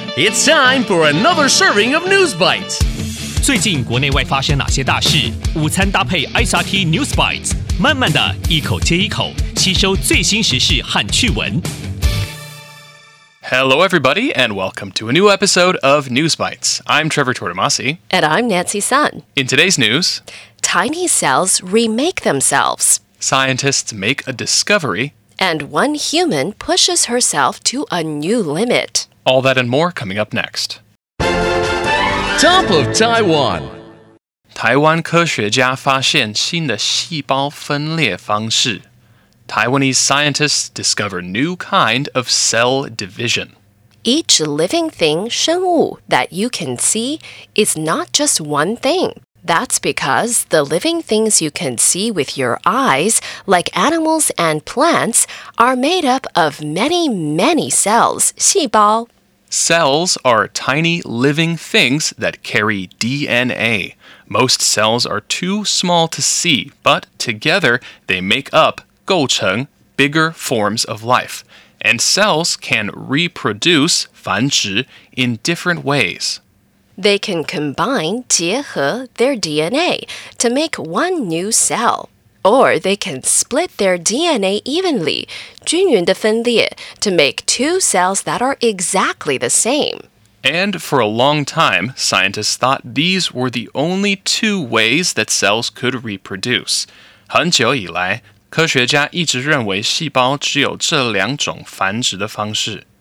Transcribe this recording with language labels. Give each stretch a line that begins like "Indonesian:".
English: It's time for another serving of News Bites.
Chinese: 最近国内外发生哪些大事？午餐搭配 SRT News Bites， 慢慢的一口接一口，吸收最新时事和趣闻。
English: Hello, everybody, and welcome to a new episode of News Bites. I'm Trevor Tortomasi. And I'm Nancy Sun. In today's news, tiny cells remake themselves. Scientists make a discovery. And one human pushes herself to a new limit. All that and more coming up next. Top of Taiwan.
Chinese: 台湾科学家发现新的细胞分裂方式。
English: Taiwanese scientists discover new kind of cell division. Each living thing,
Chinese: 生物,
English: that you can see is not just one thing. That's because the living things you can see with your eyes, like animals and plants, are made up of many, many cells,
Chinese: 细胞.
English: Cells are tiny living things that carry DNA. Most cells are too small to see, but together they make up,
Chinese: 构成,
English: bigger forms of life. And cells can reproduce,
Chinese: 繁殖,
English: in different ways. They can combine,
Chinese: 结合,
English: their DNA to make one new cell. Or they can split their DNA evenly,
Chinese: 均勻地分裂,
English: to make two cells that are exactly the same. And for a long time, scientists thought these were the only two ways that cells could reproduce.
Chinese: 很久以来，科学家一直认为细胞只有这两种繁殖的方式。